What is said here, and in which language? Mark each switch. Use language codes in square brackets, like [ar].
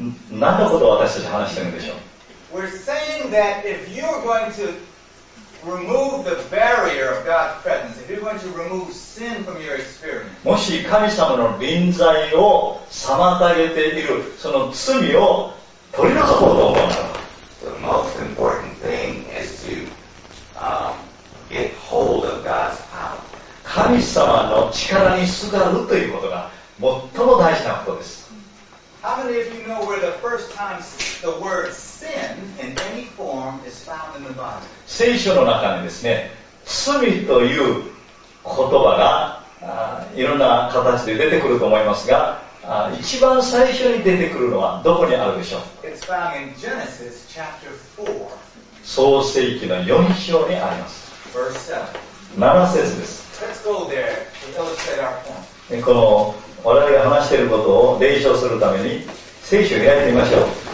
[ja] 何のことを私たち話しているんでしょう。 [en] We're saying that if you're going to remove the barrier of God's presence, if you're going to remove sin from your experience, [ja] もし神様の臨在を妨げているその罪を取り除こうと思うなら、 [en] the most important thing is to get hold of God's power. [ja] 神様の力にすがるということが最も大事なことです。 [en] How many of you know where the first time the word sin in any form is found in the Bible? [ja] 聖書の中にですね、罪という言葉がいろんな形で出てくると思いますが、一番最初に出てくるのはどこにあるでしょう？ [en] It's found in Genesis chapter 4. [ja] 創世記の4章にあります。 [en] Verse [ja] 7. 7節です。 [en] Let's go there to illustrate our point. [ja] この我々が話していることを伝承するために聖書を開いてみましょう。